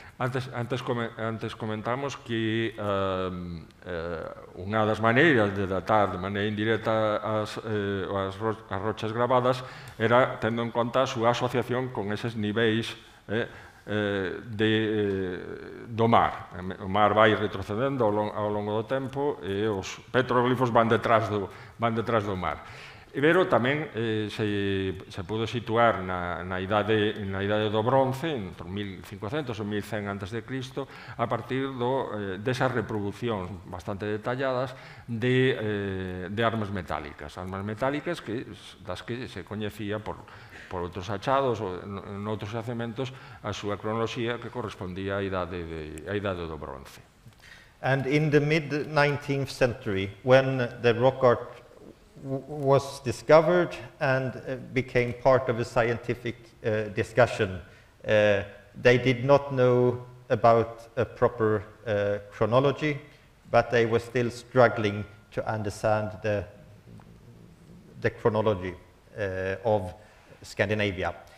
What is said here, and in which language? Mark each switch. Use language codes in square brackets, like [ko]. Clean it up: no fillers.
[gl] Antes comentamos que unha das maneiras de datar de maneira indirecta as rochas gravadas era tendo en conta a súa asociación con eses niveis do mar. O mar vai retrocedendo ao longo do tempo e os petroglifos van detrás do mar. Pero tamén se pudo situar na idade do bronce, entre 1500 e 1100 a.C., a partir desas reproduccións bastante detalladas de armas metálicas. Armas metálicas das que se coñecía por outros achados ou en outros xacementos a súa cronoloxía que correspondía á idade do bronce. [en] And in the mid-19th century, when the rock art was discovered and became part of a scientific discussion, they did not know about a proper chronology, but they were still struggling to understand the chronology of Scandinavia.